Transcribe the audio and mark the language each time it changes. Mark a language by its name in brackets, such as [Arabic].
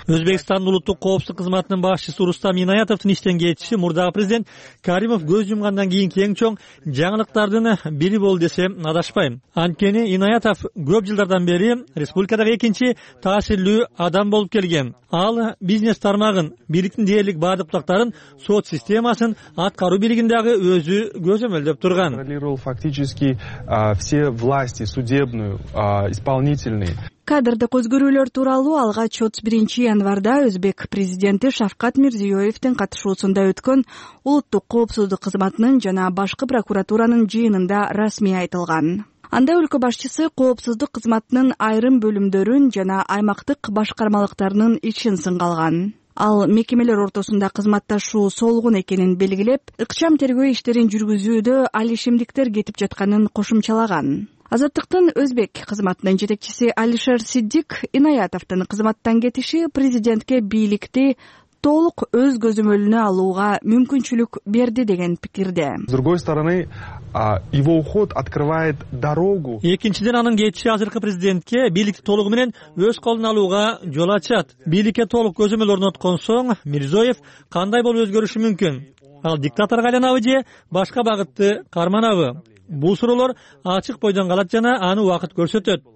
[Kyrgyz] Өзбекстандын улуттук коопсуздук кызматынын башчысы Рустам Инаятовдун иштен кетиши мурдагы президент Каримов көз жумгандан кийин кең чоң жаңылыктардын бири болду десем адашпайм. Анткени Инаятов көп жылдардан бери республикадагы экинчи таасирдүү адам болуп келген. Ал бизнес тармагын, бийликтин дээрлик бардык бутактарын, сот системасын аткаруу бири дагы өзү көзөмөлдөп турган. [Russian] Контролировал фактически все власти судебную, исполнительные. [Kyrgyz] Кадрдык өзгөрүүлөр тууралуу алгач 31 январда өзбек президенти Шавкат Мирзиёевдин катышуусунда өткөн улуттук коопсуздук кызматынын жана башкы прокуратуранын жыйынында расмий айтылган. Анда өлкө башчысы коопсуздук кызматынын айрым бөлүмдөрүн жана аймактык башкармалыктарынын ичин сынга алган. Ал мекемелер ортосунда кызматташуу солгун экенин белгилеп, ыкчам тергөө иштерин жүргүзүүдө алишимдиктер кетип жатканын кошумчалаган. Азаттыктын өзбек кызматынын жетекчиси Алишер Сиддик Инаятовдун кызматтан кетиши президентке бийликти толук өз көзөмөлүнө алууга мүмкүнчүлүк берди деген пикирде. [Russian] С другой стороны, его уход открывает дорогу. [Kyrgyz] Экинчиден анын кетиши азыркы президентке бийликти толугу менен өз колуна алууга жол ачат. Бийликке толук көзөмөл орноткон соң Мирзиёев кандай болуп өзгөрүшү мүмкүн? Ал диктаторго айланабы же башка багытты карманабы? Бул суроолор ачык бойдон калат жана аны убакыт көрсөтөт.